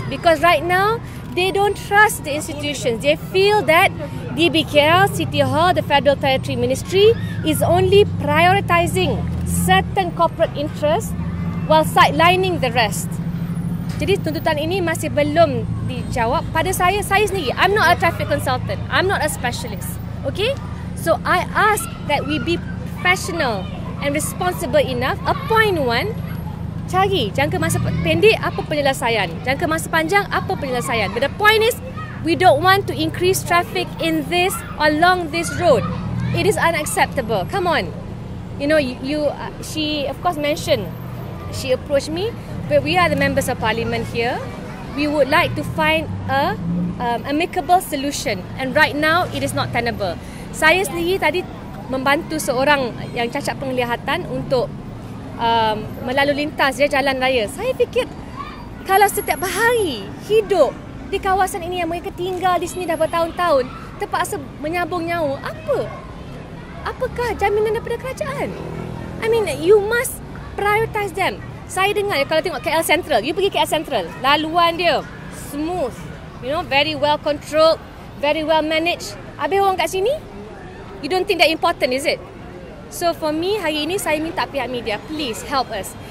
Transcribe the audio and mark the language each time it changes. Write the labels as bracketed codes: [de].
[en] Because right now, they don't trust the institutions. They feel that DBKL, City Hall, the Federal Territory Ministry is only prioritizing certain corporate interests while sidelining the rest. [ms] Jadi tuntutan ini masih belum dijawab pada saya sendiri. [en] I'm not a traffic consultant. I'm not a specialist. Okay? So I ask that we be professional and responsible enough. Appoint one, [ms] cari jangka masa pendek apa penyelesaian, jangka masa panjang apa penyelesaian. [en] But the point is, we don't want to increase traffic in this, along this road. It is unacceptable. Come on. You know, she of course mentioned, she approached me, but we are the members of parliament here. we would like to find a amicable solution, and right now it is not tenable. [ms] Saya sendiri tadi membantu seorang yang cacat penglihatan untuk melalui lintas dia jalan raya. Saya fikir kalau setiap hari hidup di kawasan ini yang mereka tinggal di sini dah bertahun-tahun, terpaksa menyambung nyawa, apa? Apakah jaminan daripada kerajaan? [en] I mean, you must prioritize them. [ms] Saya dengar kalau tengok KL Central, [en] you [ms] pergi KL Central, laluan dia [en] smooth, you know, very well controlled, very well managed. [ms] Habis orang kat sini, [en] you don't think that important, is it? So for me, [ms] hari ini saya minta pihak media, [en] please help us.